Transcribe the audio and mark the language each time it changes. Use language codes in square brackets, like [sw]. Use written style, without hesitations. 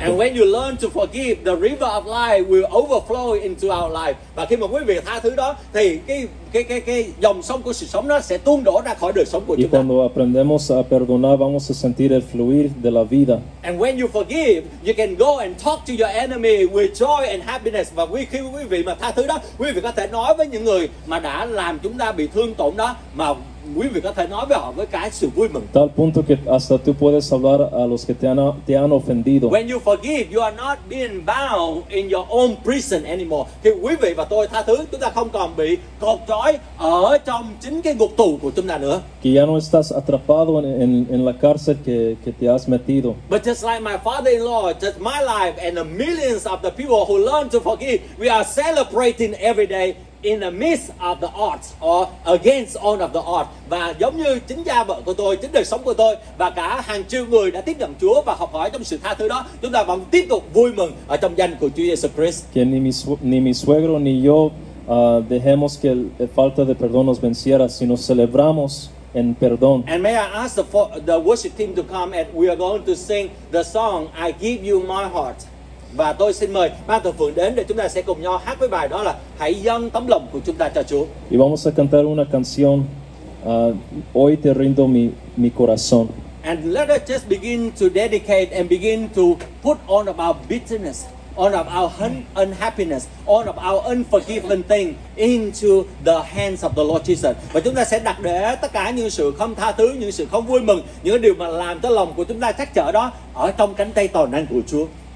[en] And when you learn to forgive, the river of life will overflow into our life. [vi] Và khi mà quý vị tha thứ đó thì cái dòng sông của sự sống nó sẽ tuôn đổ ra khỏi đời sống của chúng ta. [es] Y cuando aprendemos a perdonar, vamos a sentir el fluir de la vida. [en] And when you forgive, you can go and talk to your enemy with joy and happiness. [vi] Và khi quý vị mà tha thứ đó, quý vị có thể nói với những người mà đã làm chúng ta bị thương tổn đó, mà quý vị có thể nói với họ với cái sự vui mừng. [es] Tal punto que hasta tú puedes hablar a los que te han ofendido. [en] When you forgive, you are not being bound in your own prison anymore. [vi] Thì quý vị và tôi tha thứ, chúng ta không còn bị cột trói ở trong chính cái ngục tù của chúng ta nữa. [es] Que ya no estás atrapado en la cárcel que te has metido. [en] But just like my father-in-law, just my life and the millions of the people who learn to forgive, we are celebrating every day in the midst of the odds or against all of the odds. [vi] Và giống như chính cha vợ của tôi, chính đời sống của tôi và cả hàng triệu người đã tiếp nhận Chúa và học hỏi trong sự tha thứ đó, chúng ta vẫn tiếp tục vui mừng ở trong danh của Chúa Jesus Christ. [es] Que ni mi suegro ni yo dejemos que la falta de perdón nos venciera, sino celebramos en perdón. [en] And may I ask the worship team to come, and we are going to sing the song I Give You My Heart. [vi] Và tôi xin mời ban thờ phượng đến để chúng ta sẽ cùng nhau hát với bài đó là Hãy Dâng Tấm Lòng Của Chúng Ta Cho Chúa. [es] Y vamos a cantar una canción Hoy Te Rindo Mi Corazón. [en] And let us just begin to dedicate and begin to put all of our bitterness, all of our unhappiness, all of our unforgiven thing into the hands of the Lord Jesus. [vi] Và chúng ta sẽ đặt để tất cả những sự không tha thứ, những sự không vui mừng, những điều mà làm cho lòng của chúng ta trắc trở đó ở trong cánh tay toàn năng của Chúa.